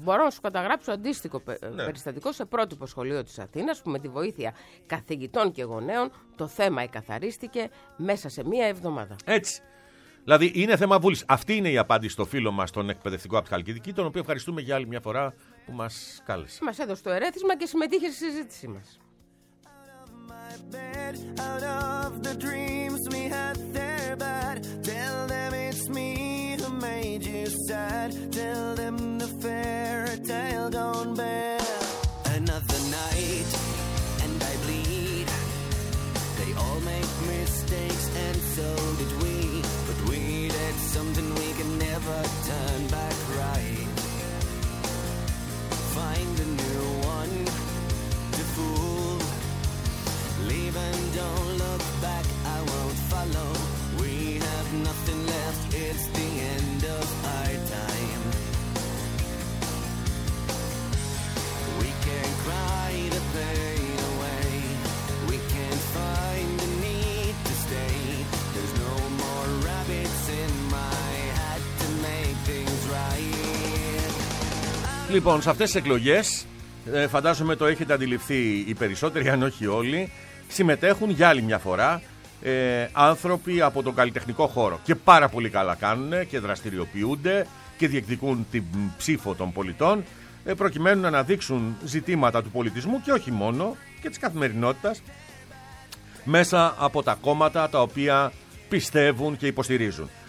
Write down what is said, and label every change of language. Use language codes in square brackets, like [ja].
[el] Μπορώ να σου καταγράψω αντίστοιχο περιστατικό σε πρότυπο σχολείο της Αθήνας, που με τη βοήθεια καθηγητών και γονέων το θέμα εκαθαρίστηκε μέσα σε μία εβδομάδα. Έτσι. Δηλαδή είναι θέμα βούλης. Αυτή είναι η απάντηση στο φίλο μας, τον εκπαιδευτικό από τη Χαλκιδική, τον οποίο ευχαριστούμε για άλλη μια φορά που μας κάλεσε. Μας έδωσε το ερέθισμα και συμμετείχε στη συζήτησή μας. [en] Bed, out of the dreams we had there, but tell them it's me who made you sad. Tell them the fairy tale gone bad. Another night, and I bleed. They all make mistakes, and so did we. But we did something we can never turn back right. Find a new one to fool. Leave and don't look back, I won't follow. We have nothing left, it's the end of our time. We can cry the pain away. We can't find the need to stay. There's no more rabbits in my hat to make things right. [el] Λοιπόν, σε αυτές τις εκλογές, φαντάζομαι το έχετε αντιληφθεί οι περισσότεροι, αν όχι όλοι, συμμετέχουν για άλλη μια φορά άνθρωποι από τον καλλιτεχνικό χώρο και πάρα πολύ καλά κάνουν και δραστηριοποιούνται και διεκδικούν την ψήφο των πολιτών προκειμένου να αναδείξουν ζητήματα του πολιτισμού και όχι μόνο και της καθημερινότητας μέσα από τα κόμματα τα οποία πιστεύουν και υποστηρίζουν.